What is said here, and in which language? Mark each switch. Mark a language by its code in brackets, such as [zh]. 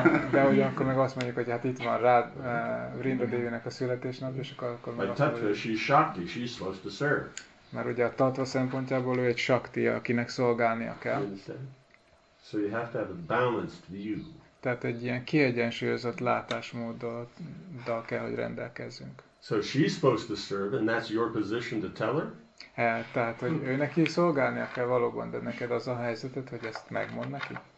[hu] De hogy akkor meg azt mondjuk, hogy hát itt van rád Vrinda Devinek a születésnap, és akkor meg [en] a tattva, she's shakti, she's supposed to serve. [hu] Mert ugye a tattva szempontjából ő egy shakti, akinek szolgálnia kell. [en] So you have to have a balanced view. [hu] Tehát egy ilyen kiegyensúlyozott látásmóddal kell, hogy rendelkezzünk. [en] So she's supposed to serve, and that's your position to tell her? [hu] Tehát, hogy ő neki szolgálnia kell valóban, de neked az a helyzeted, hogy ezt megmond neki?